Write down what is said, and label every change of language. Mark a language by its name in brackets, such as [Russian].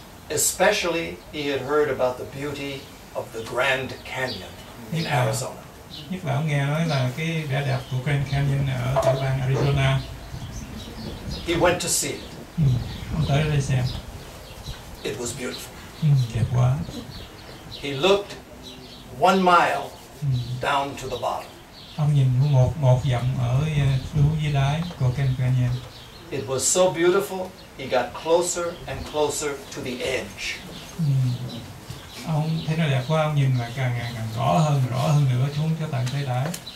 [English] Especially, he had heard about the beauty of the Grand Canyon. In Arizona. [Vietnamese] Nhất là ông nghe nói là cái vẻ đẹp của Grand Canyon ở tiểu bang Arizona. [English] He went to see it. [Vietnamese] Ông tới đây xem. [English] It was beautiful. [Vietnamese] Đẹp quá. [English] He looked 1 mile down to the bottom. [Vietnamese] Ông nhìn một dặm ở dưới đáy của Grand Canyon. [English] It was so beautiful. He got closer and closer to the edge. [Vietnamese] Ông thấy nó đẹp quá, ông nhìn là càng ngày càng rõ hơn nữa xuống cho tận tới đáy.